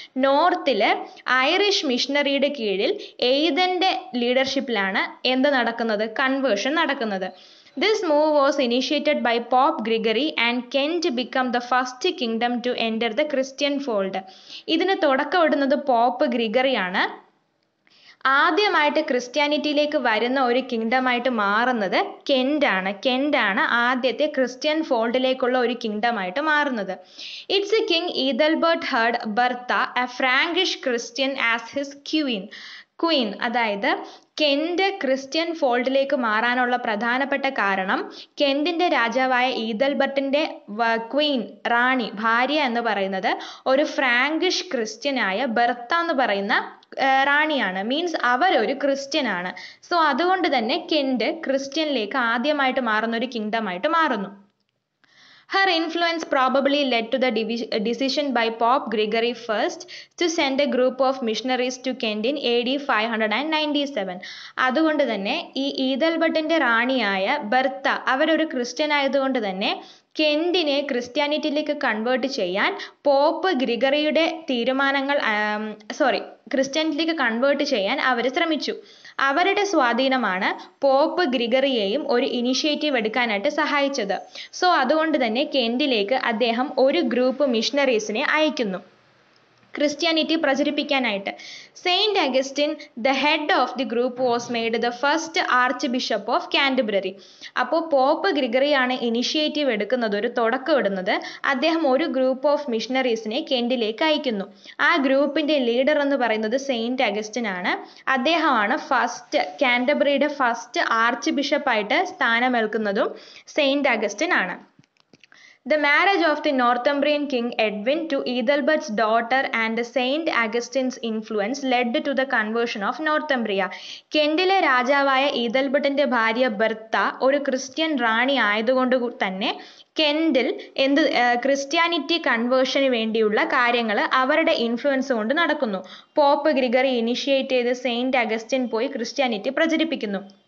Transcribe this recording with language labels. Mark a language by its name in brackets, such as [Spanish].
[Malayalam] നോർത്തിൽ Irish മിഷണറിയുടെ കീഴിൽ എയ്തൻ്റെ ലീഡർഷിപ്പിലാണ് എന്ത് നടക്കുന്നത്, കൺവേർഷൻ നടക്കുന്നത്. [English] This move was initiated by Pope Gregory and Kent became the first kingdom to enter the Christian fold. [Malayalam] ഇതിനെ തുടക്കമിടുന്നത് pop ഗ്രിഗറിയാണ്. ആദ്യമായിട്ട് ക്രിസ്ത്യാനിറ്റിയിലേക്ക് വരുന്ന ഒരു കിങ്ഡമായിട്ട് മാറുന്നത് കെൻ്റാണ്. കെൻ്റാണ് ആദ്യത്തെ ക്രിസ്ത്യൻ ഫോൾഡിലേക്കുള്ള ഒരു കിങ്ഡമായിട്ട് മാറുന്നത്. [English] It's a king Ethelbert heard Bertha a Frankish Christian as his queen. [Malayalam] അതായത് Kent Christian ഫോൾഡിലേക്ക് മാറാനുള്ള പ്രധാനപ്പെട്ട കാരണം കെൻ്റിൻ്റെ രാജാവായ ഈതൽബർട്ടിൻ്റെ ക്വീൻ, റാണി, ഭാര്യ എന്ന് പറയുന്നത് ഒരു ഫ്രാങ്കിഷ് ക്രിസ്ത്യനായ ബർത്ത എന്ന് പറയുന്ന റാണിയാണ്. മീൻസ് അവരൊരു ക്രിസ്ത്യനാണ്. സോ അതുകൊണ്ട് തന്നെ കെൻ്റ് ക്രിസ്ത്യനിലേക്ക് ആദ്യമായിട്ട് മാറുന്ന ഒരു കിങ്ഡമായിട്ട് മാറുന്നു. [English] Her influence probably led to the decision by Pope Gregory I to send a group of missionaries to Kent in AD 597. [Malayalam] അതുകൊണ്ട് തന്നെ ഈ ഈതൽബർട്ടിൻ്റെ റാണിയായ ബർത്ത അവരൊരു ക്രിസ്ത്യനായതുകൊണ്ട് തന്നെ കെൻ്റിനെ ക്രിസ്ത്യാനിറ്റിയിലേക്ക് കൺവേർട്ട് ചെയ്യാൻ പോപ്പ് ഗ്രിഗറിയുടെ തീരുമാനങ്ങൾ ക്രിസ്ത്യാനിറ്റിയിലേക്ക് കൺവേർട്ട് ചെയ്യാൻ അവർ ശ്രമിച്ചു. അവരുടെ സ്വാധീനമാണ് പോപ്പ് ഗ്രിഗറിയെയും ഒരു ഇനിഷ്യേറ്റീവ് എടുക്കാനായിട്ട് സഹായിച്ചത്. സോ അതുകൊണ്ട് തന്നെ കെൻ്റിലേക്ക് അദ്ദേഹം ഒരു ഗ്രൂപ്പ് മിഷണറീസിനെ അയക്കുന്നു Christianity പ്രചരിപ്പിക്കാനായിട്ട്. [English] Saint Augustine the head of the group was made the first archbishop of Canterbury. [Malayalam] അപ്പോൾ പോപ്പ് ഗ്രിഗറിയാണ് ഇനിഷ്യേറ്റീവ് എടുക്കുന്നത്, ഒരു തുടക്കമിടുന്നത്. അദ്ദേഹം ഒരു ഗ്രൂപ്പ് ഓഫ് മിഷണറീസിനെ കെൻ്റിലേക്ക് അയക്കുന്നു. ആ ഗ്രൂപ്പിൻ്റെ ലീഡർ എന്ന് പറയുന്നത് സെയിൻറ് അഗസ്റ്റിൻ ആണ്. അദ്ദേഹമാണ് first കാൻറ്റബ്രറിയുടെ first arch ബിഷപ്പായിട്ട് സ്ഥാനമേൽക്കുന്നതും saint Augustine ആണ്. [English] The marriage of the Northumbrian king Edwin to Ethelbert's daughter and Saint Augustine's influence led to the conversion of Northumbria. [Malayalam] കെൻ്റിലെ രാജാവായ ഈതൽബർട്ടിൻ്റെ ഭാര്യ ബർത്ത ഒരു ക്രിസ്ത്യൻ റാണി ആയതുകൊണ്ട് തന്നെ കെൻ്റിൽ എന്ത് ക്രിസ്ത്യാനിറ്റി കൺവേർഷന് വേണ്ടിയുള്ള കാര്യങ്ങൾ അവരുടെ ഇൻഫ്ലുവൻസ് കൊണ്ട് നടക്കുന്നു. പോപ്പ് ഗ്രിഗറി ഇനിഷ്യേറ്റ് ചെയ്ത് സെയിൻറ് അഗസ്റ്റിൻ പോയി ക്രിസ്ത്യാനിറ്റി പ്രചരിപ്പിക്കുന്നു.